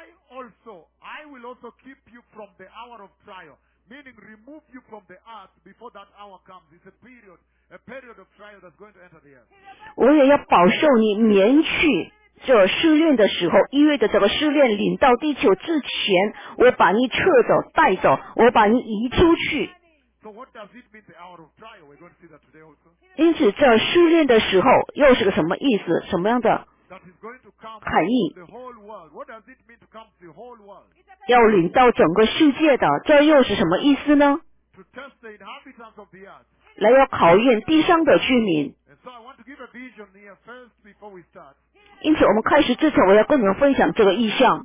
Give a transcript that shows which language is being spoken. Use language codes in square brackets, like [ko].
[en] I will also keep you from the hour of trial, meaning remove you from the earth before that hour comes. It's a period of trial that's going to enter the earth. [zh] 我也要保守你免去这试炼的时候，意味着这个试炼临到地球之前，我把你撤走、带走，我把你移出去。 [en] So what does it mean the hour of trial? We're going to see that today also. [zh] 因此，这试炼的时候又是个什么意思？什么样的？ [en] That is going to come to the whole world. [zh] 要领到整个世界的，这又是什么意思呢？ [en] To test the inhabitants of the earth. [zh] 来要考验地上的居民。 [en] And so I want to give a vision here first before we start. [zh] 因此我们开始之前，我要跟你们分享这个意象。